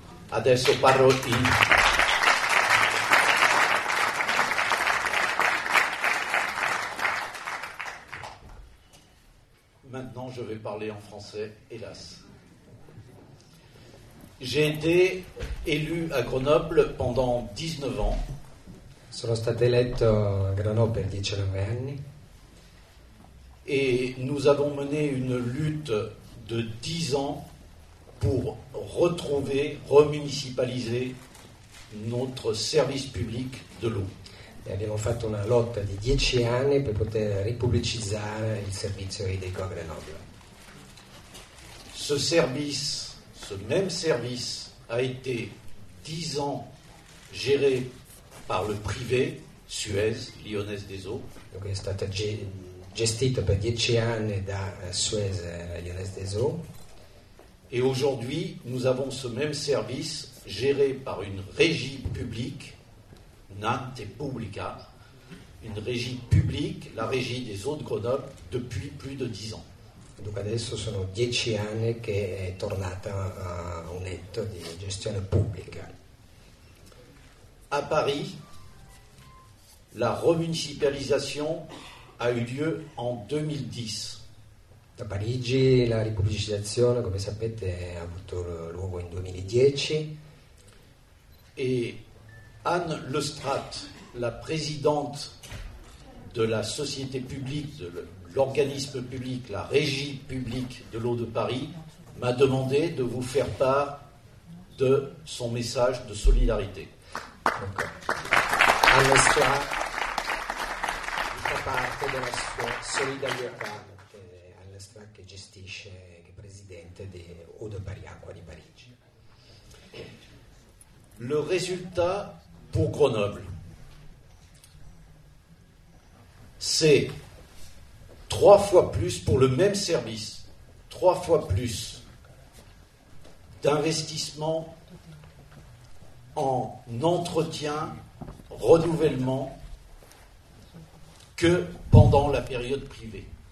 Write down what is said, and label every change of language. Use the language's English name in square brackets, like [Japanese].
[Italian] Adesso parlo in [French] maintenant je vais parler en français, hélas. J'ai été élu à Grenoble pendant 19 ans. [Italian] Sono stato eletto a Grenoble per 19 anni. [French] Et nous avons mené une lutte de 10 ans pour retrouver, remunicipaliser notre service public de l'eau. [Italian] E abbiamo fatto una lotta di 10 anni per poter ripubblicizzare il servizio idrico a Grenoble. [French] Ce service, ce même service a été 10 ans géré par le privé Suez, Lyonnaise des Eaux. [Italian] Dunque è stato gestito per 10 anni da Suez, Lyonnaise des Eaux. [French] Et aujourd'hui, nous avons ce même service géré par une régie publique, Nante Pubblica, une régie publique, la régie des eaux de Grenoble, depuis plus de 10 ans. [Italian] Dunque adesso sono 10 anni che è tornata a un ente di gestione pubblica. [French] À Paris, la remunicipalisation a eu lieu en 2010. [Italian] Da Parigi la ripubblicizzazione, come sapete, ha avuto luogo in 2010. [French] Et Anne Lestrat, la présidente de la société publique, de l'organisme public, la régie publique de l'eau de Paris, m'a demandé de vous faire part de son message de solidarité. Okay. [Italian] Anne Lestrat, vi fa parte della sua solidarietà, Anne Lestrat che gestisce, che è presidente di Eau de Paris, Acqua di Parigi. [French] Le résultat pour Grenoble, c'est trois fois plus pour le même service, trois fois plus d'investissement en entretien, renouvellement que pendant la période privée.